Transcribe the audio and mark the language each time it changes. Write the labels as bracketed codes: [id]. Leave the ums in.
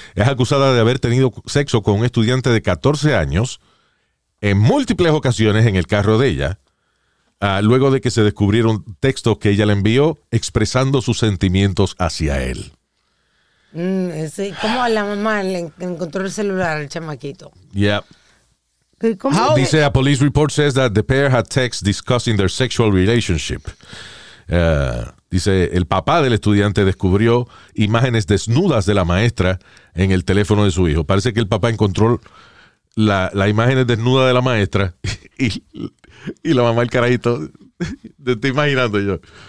[es] Es acusada de haber tenido sexo con un estudiante de 14 años en múltiples ocasiones en el carro de ella, luego de que se descubrieron textos que ella le envió expresando sus sentimientos hacia él. Cómo a la mamá Le encontró el celular el chamaquito. Yeah. ¿Cómo? Dice, [en] a police report says that the pair had texts discussing their sexual relationship. [es] Uh, dice, el papá del estudiante descubrió imágenes desnudas de la maestra en el teléfono de su hijo. Parece que el papá encontró las la, la imágenes desnudas de la maestra y, y, la mamá, el carajito, te estoy imaginando yo.